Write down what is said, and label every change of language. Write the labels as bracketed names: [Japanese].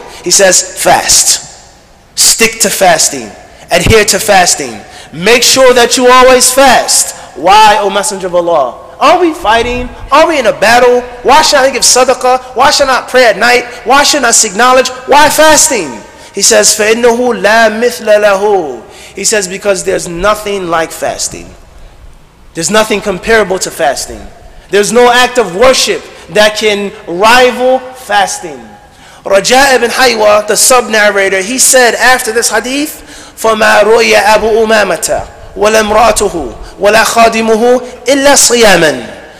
[English] He says, "Fast. Stick to fasting. Adhere to fasting. Make sure that you always fast. Why, O Messenger of Allah? Are we fighting? Are we in a battle? Why should I give sadaqah? Why should I not pray at night? Why should I not seek knowledge? Why fasting?" He says, [Arabic] "فَإِنَّهُ لَا مِثْلَ لَهُ." [English] He says, "Because there's nothing like fasting. There's nothing comparable to fasting. There's no act of worship that can rival fasting." [Arabic] Raja ibn Haywa, [English] the sub-narrator, he said after this hadith, [Arabic] "فَمَا رُؤِيَ أَبُو أُمَامَةَ وَلَا امْرَأَتُهُ وَلَا خَادِمُهُ إِلَّا صِيَامًا."